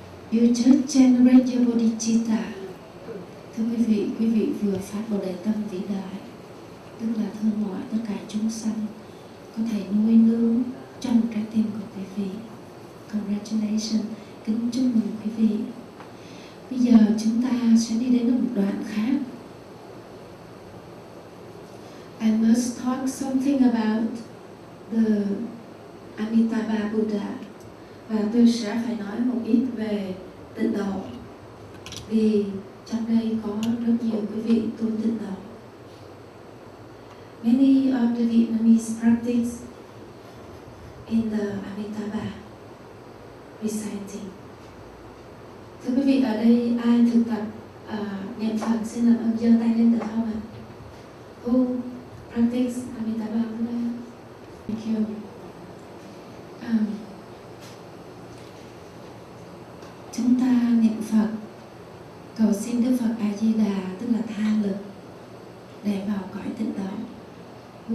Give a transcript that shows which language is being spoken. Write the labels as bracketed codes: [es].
[en] You just generate your bodhicitta. [vi] Thưa quý vị vừa phát bồ đề tâm vĩ đại, tức là thương mọi tất cả chúng sanh, có thể nuôi nương trong trái tim của quý vị. [en] Congratulations, [vi] kính chúc mừng quý vị. Bây giờ chúng ta sẽ đi đến một đoạn khác. [en] I must talk something about the Amitabha Buddha. [vi] Và tôi sẽ phải nói một ít về tịnh độ, vì trong đây có rất nhiều quý vị tu tịnh độ. [en] Many of the Vietnamese practice in the Amitabha reciting. [vi] Thưa quý vị, ở đây ai thực tập niệm Phật, xin làm ơn giơ tay lên được không ạ? [en] who practice Amitabha Buddha. Thank you. [vi] Chúng ta niệm Phật, cầu xin Đức Phật A Di Đà, tức là tha lực, để vào cõi tịnh độ.